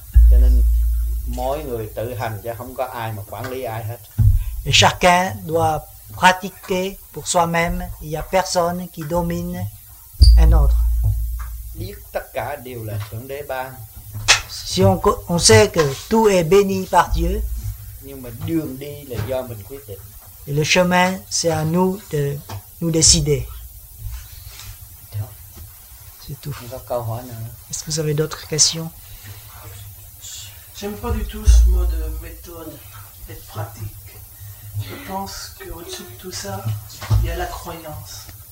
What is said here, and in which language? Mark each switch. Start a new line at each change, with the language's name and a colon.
Vietnamese: Cho nên mỗi người tự hành chứ không có ai mà quản lý ai hết.
French: Et chacun doit pratiquer pour soi-même, il n'y a personne qui domine un autre.
Vietnamese: Biết tất cả đều là thượng đế ban.
French: Si on sait que tout est béni par Dieu,
Vietnamese: nhưng mà đường đi là do mình quyết định.
French: Et le chemin c'est à nous de nous décider. C'est tout. Est-ce que vous avez d'autres questions? J'aime pas du tout ce mot de méthode et de pratique. Je pense qu'au-dessus de tout ça, il y a la croyance.